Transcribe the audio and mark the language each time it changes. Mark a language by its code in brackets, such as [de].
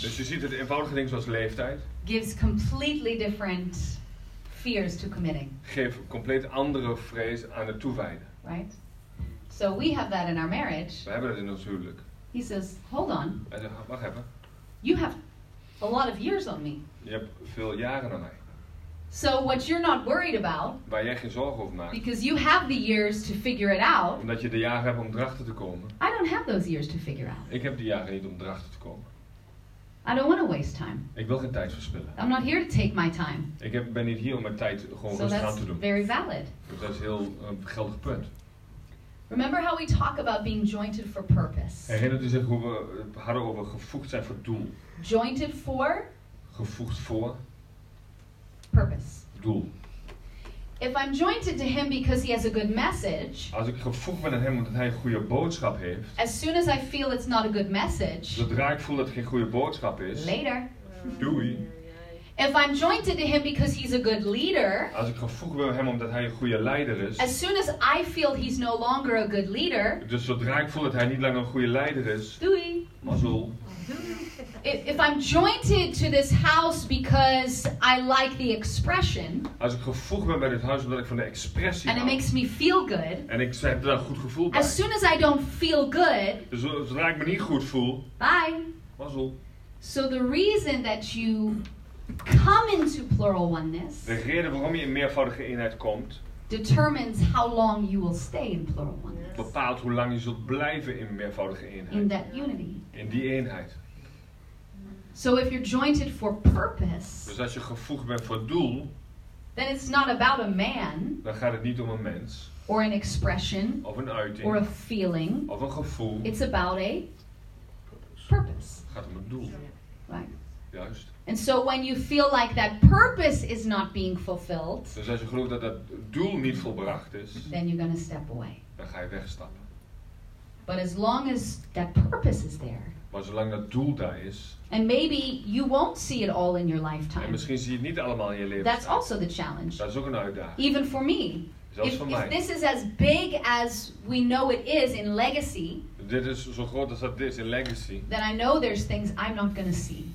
[nl] Dus je ziet het eenvoudige ding zoals leeftijd. [en] Gives completely different fears to committing. [nl] Geeft compleet andere vrees aan het toewijden. [en] Right. So we have that in our marriage. [nl] We hebben dat in ons huwelijk. [en] He says, hold on. [nl] Hij zegt, wacht even. [en] You have a lot of years on me. [nl] Je hebt veel jaren aan mij. [en] So what you're not worried about. [nl] Waar jij geen zorgen over maakt. [en] Because you have the years to figure it out. [nl] Omdat je de jaren hebt om erachter te komen. [en] I don't have those years to figure out. [nl] Ik heb de jaren niet om erachter te komen. [en] I don't want to waste time. [nl] Ik wil geen tijd verspillen. [en] I'm not here to take my time. [nl] Ik ben niet hier om mijn tijd gewoon rustig aan te doen. [en] Very valid. [nl] Dat is heel geldig punt. [en] Remember how we talk about being jointed for purpose. [nl] Herinnert u zich hoe we hadden over gevoegd zijn voor doel? [en] Jointed for? [nl] Gevoegd voor? [en] Purpose. [nl] Doel. [en] If I'm jointed to him because he has a good message. [nl] Als ik gevoegd ben aan hem omdat hij een goede boodschap heeft. [en] As soon as I feel it's not a good message. [nl] Zodra ik voel dat het geen goede boodschap is. [en] Later. [nl] Doei. [en] If I'm jointed to him because he's a good leader. [nl] Als ik gevoegd ben aan hem omdat hij een goede leider is. [en] As soon as I feel he's no longer a good leader. [nl] Dus zodra ik voel dat hij niet langer een goede leider is. Doei. Mazzel. [en] If I'm jointed to this house because I like the expression. [nl] Als ik gevoegd ben bij dit huis omdat ik van de expressie hou. [en] And it makes me feel good. [nl] En ik heb daar een goed gevoel bij. [en] As soon as I don't feel good. [nl] Dus zodra ik me niet goed voel. [en] Bye. [nl] Mazzel. [en] So the reason that you come into plural oneness. [nl] De reden waarom je in meervoudige eenheid komt. [en] Determines how long you will stay in plural oneness. [nl] Bepaalt hoe lang je zult blijven in meervoudige eenheid. [en] In that unity. [nl] In die eenheid. [en] So if you're jointed for purpose. [nl] Dus als je gevoegd bent voor doel. [en] Then it's not about a man. [nl] Dan gaat het niet om een mens. [en] Or an expression. [nl] Of een uiting. [en] Or a feeling. [nl] Of een gevoel. [en] It's about a purpose. [nl] Het gaat om een doel. [en] Right. [nl] Juist. [en] And so when you feel like that purpose is not being fulfilled. [nl] Dus als je gelooft dat dat doel niet volbracht is. [en] Then you're gonna step away. [nl] Dan ga je wegstappen. [en] But as long as that purpose is there. [nl] Maar zolang dat doel daar is. [en] And maybe you won't see it all in your lifetime. [nl] En misschien zie je het niet allemaal in je leven. [en] That's also the challenge. [nl] Dat is ook een uitdaging. [en] Even for me. [nl] Zelfs voor mij. [en] If this is as big as we know it is in legacy. [nl] Dit is zo groot als dat is in legacy. [en] Then I know there's things I'm not gonna see.